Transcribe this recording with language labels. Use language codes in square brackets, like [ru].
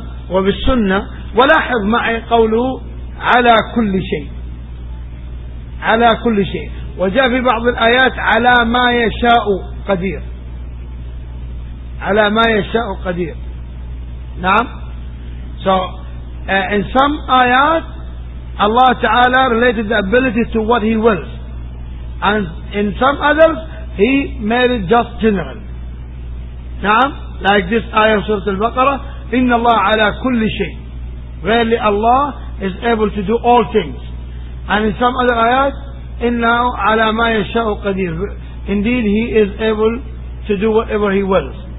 [ar] وبالسنة ولاحظ معي قوله على كل شيء. على كل شيء. وجاء في بعض الآيات على ما يشاء قدير. على ما يشاء قدير. نعم. [en] So in some آيات Allah تعالى related the ability to what he wills, and in some others he made it just general. [ar] نعم, [en] like this ayah [ar] سورة البقرة, إن الله على كل شيء. [en] Really Allah is able to do all things. And in some other ayat, [ar] إِنَّهُ عَلَى مَا يَشَاءُ قَدِيرٌ. [en] Indeed, he is able to do whatever he wills.